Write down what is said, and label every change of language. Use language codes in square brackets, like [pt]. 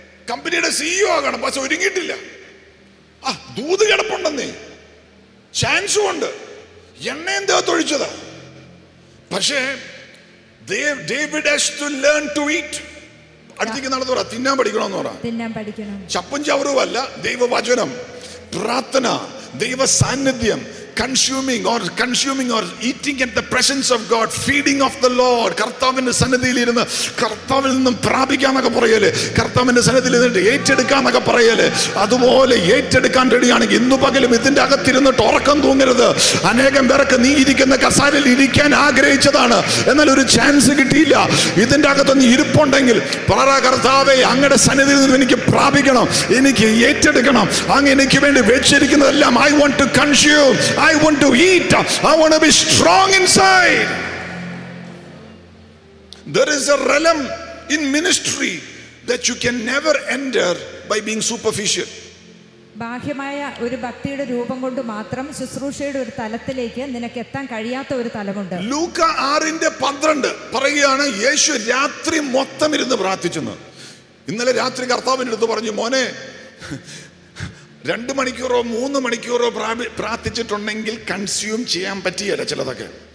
[ml] കമ്പനിയുടെ സിഇഒ ആകണം, പക്ഷെ ഒരുങ്ങിയിട്ടില്ല. ആ ദൂത് കിടപ്പുണ്ടെന്നേ, ചാൻസും ഉണ്ട്, എണ്ണയും തൊഴിച്ചതാ. പക്ഷേ [en] David has to learn to eat. [ml] അടുത്തേക്ക് നടന്നു പറ തിന്നാൻ പഠിക്കണം, തിന്നാൻ പഠിക്കണം. ചപ്പും ചവറുമല്ല, ദൈവവചനം, പ്രാർത്ഥന, ദൈവ സാന്നിധ്യം. [en] Consuming or eating at the presence of God, feeding of the Lord. [ml] കർത്താവിന്റെ സന്നിധിയിൽ ഇരുന്ന് കർത്താവിൽ നിന്നും പ്രാപിക്കാന്നൊക്കെ പറയല്ലേ, കർത്താവിന്റെ സന്നിധിയിൽ ഇരുന്നിട്ട് ഏറ്റെടുക്കാന്നൊക്കെ പറയല്ലേ. അതുപോലെ ഏറ്റെടുക്കാൻ റെഡിയാണെങ്കിൽ ഇന്നു പകലും ഇതിന്റെ അകത്തിരുന്നിട്ട് ഉറക്കം തൂങ്ങരുത്. അനേകം പേർക്ക് നീ ഇരിക്കുന്ന കസാലിൽ ഇരിക്കാൻ ആഗ്രഹിച്ചതാണ്, എന്നാൽ ഒരു ചാൻസ് കിട്ടിയില്ല. ഇതിന്റെ അകത്ത് നീ ഇരിപ്പുണ്ടെങ്കിൽ പറ, കർത്താവേ അങ്ങയുടെ സന്നിധിയിൽ നിന്ന് എനിക്ക് പ്രാപിക്കണം, എനിക്ക് ഏറ്റെടുക്കണം, അങ്ങ് എനിക്ക് വേണ്ടി വെച്ചിരിക്കുന്നതെല്ലാം. [en] I want to consume, I want to eat, I want to be strong inside. There is a realm in ministry that you can never enter by being superficial. [ml] ബാഹ്യമായ ഒരു ഭക്തിയുടെ രൂപം കൊണ്ട് മാത്രം ശുശ്രൂഷയുടെ ഒരു തലത്തിലേക്ക് നിനക്ക് എത്താൻ കഴിയാത്ത ഒരു തലമുണ്ട്. ലൂക്കാ 6:12 പറയുകയാണ്, യേശു രാത്രി മൊത്തം ഇരുന്ന് പ്രാർത്ഥിച്ചെന്ന്. ഇന്നലെ രാത്രി കർത്താവിന്റെ അടുത്ത് പറഞ്ഞു, മോനെ 2 മണിക്കൂറോ 3 മണിക്കൂറോ പ്രാർത്ഥിച്ചിട്ടുണ്ടെങ്കിൽ കൺസ്യൂം ചെയ്യാൻ പറ്റിയല്ല ചിലതൊക്കെ.